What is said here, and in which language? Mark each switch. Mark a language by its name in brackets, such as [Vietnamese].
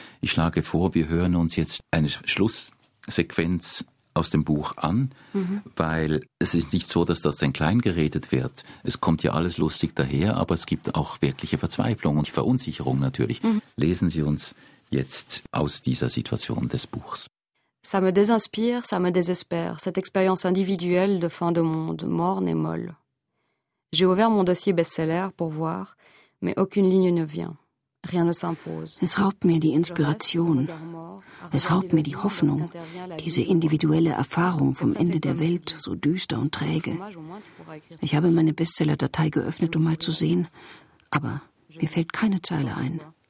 [German] Ich schlage vor, wir hören uns jetzt eine Schlusssequenz aus dem Buch an, weil es ist nicht so, dass das dann klein geredet wird. Es kommt ja alles lustig daher, aber es gibt auch wirkliche Verzweiflung und Verunsicherung natürlich. Lesen Sie uns jetzt aus dieser Situation des Buchs. [French] Ça me désinspire, ça me désespère, cette expérience individuelle de fin de monde, morne et molle. J'ai ouvert mon dossier best-seller pour voir, mais aucune ligne ne vient. Rien ne s'impose. [German] Es raubt mir die Inspiration. Es raubt mir die Hoffnung, diese individuelle Erfahrung vom Ende der Welt, so düster und träge. Ich habe meine Bestseller-Datei geöffnet, um mal zu sehen, aber mir fällt keine Zeile ein.